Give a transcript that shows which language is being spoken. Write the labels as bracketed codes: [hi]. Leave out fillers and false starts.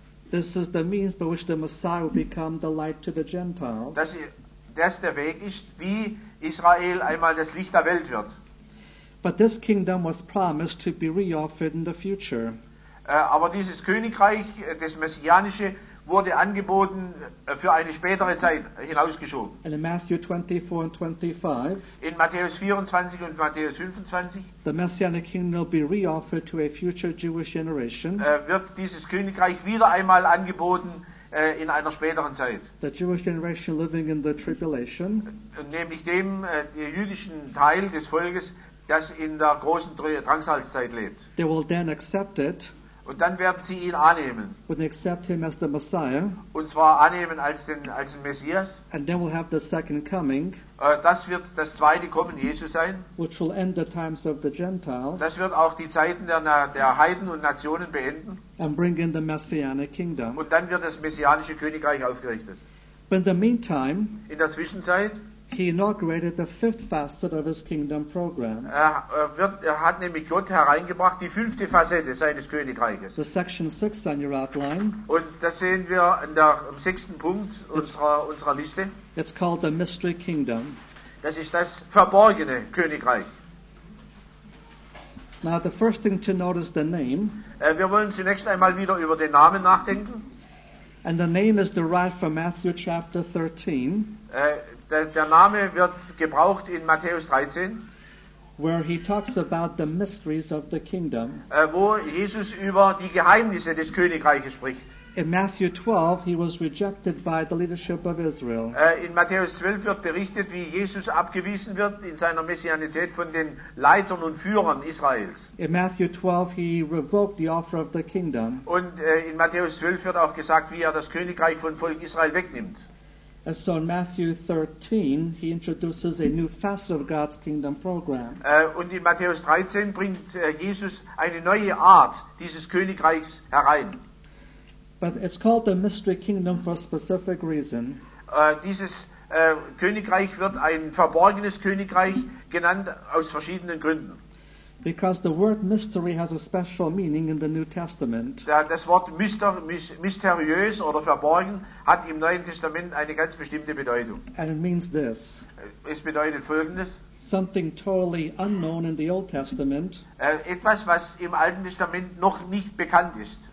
[en] This is the means by which the Messiah will become the light to the Gentiles. [de] Dass der Weg ist, wie Israel einmal das Licht der Welt wird. [en] But this kingdom was promised to be reoffered in the future. [de] Aber dieses Königreich, das Messianische, wurde angeboten für eine spätere Zeit hinausgeschoben. [en] And in Matthew 24 and 25, [de] in Matthäus 24 und Matthäus 25, [en] the Messianic kingdom will be reoffered to a future Jewish generation. [de] Wird dieses Königreich wieder einmal angeboten in einer späteren Zeit. [en] The Jewish generation living in the tribulation. [de] Nämlich dem jüdischen Teil des Volkes, das in der großen Drangsalszeit lebt. [en] They will then accept it. [de] Und dann werden sie ihn annehmen. [en] Would accept him as the Messiah. [de] Und zwar annehmen als den Messias. [en] And then we'll have the second coming. [de] Das wird das zweite Kommen Jesu sein. [en] Which will end the times of the Gentiles. [de] Das wird auch die Zeiten der Heiden und Nationen beenden. [en] And bring in the Messianic kingdom. [de] Und dann wird das messianische Königreich aufgerichtet. [en] But in the meantime, [de] in der Zwischenzeit, [en] he inaugurated the fifth facet of his kingdom program. [de] Er hat nämlich Gott hereingebracht, die fünfte Facette seines Königreiches. [en] The section 6 on your outline. [de] Und das sehen wir im sechsten Punkt unserer Liste. [en] It's called the mystery kingdom. [de] Das ist das verborgene Königreich. [en] Now the first thing to notice the name. [de] Wir wollen zunächst einmal wieder über den Namen nachdenken. [en] And the name is derived from Matthew chapter 13. [de] Der Name wird gebraucht in Matthäus 13, [en] where he talks about the mysteries of the kingdom, [de] wo Jesus über die Geheimnisse des Königreiches spricht. [en] In Matthew 12, he was rejected by the leadership of Israel. [de] In Matthäus 12 wird berichtet, wie Jesus abgewiesen wird in seiner Messianität von den Leitern und Führern Israels. [en] In Matthew 12, he revoked the offer of the kingdom. [de] Und in Matthäus 12 wird auch gesagt, wie er das Königreich von Volk Israel wegnimmt. [en] And so in Matthew 13, he introduces a new facet of God's kingdom program. [de] Und in Matthäus 13 bringt Jesus eine neue Art dieses Königreichs herein. [en] But it's called the mystery kingdom for a specific reason. [de] Dieses Königreich wird ein verborgenes Königreich genannt aus verschiedenen Gründen. [en] Because the word mystery has a special meaning in the New Testament. [de] Das Wort mysteriös oder verborgen hat im Neuen Testament eine ganz bestimmte Bedeutung. [en] And it means this. [de] Es bedeutet Folgendes. [en] Something totally unknown in the Old Testament. [de] Etwas, was im Alten Testament noch nicht bekannt ist.